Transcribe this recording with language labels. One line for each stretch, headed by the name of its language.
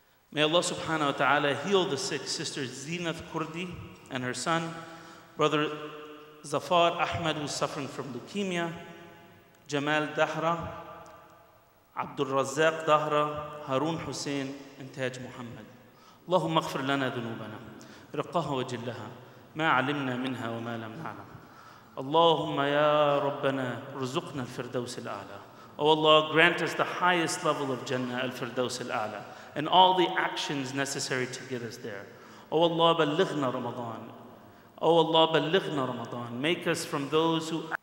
English: May Allah subhanahu wa ta'ala heal the sick sister Zinath Kurdi and her son, brother Zafar Ahmed, who's suffering from leukemia, Jamal Dahra, Abdul Razzaq Dahra, Harun Hussein, and Taj Muhammad.
Arabic: اللهم اغفر لنا ذنوبنا رقها وجلها ما علمنا منها وما لم نعلم اللهم يا ربنا رزقنا الفردوس الأعلى
English: Oh Allah, grant us the highest level of Jannah,
Arabic: الفردوس الأعلى
English: and all the actions necessary to get us there. Oh Allah,
Arabic: بلغنا رمضان
English: Oh Allah, بلغنا رمضان Make us from those who...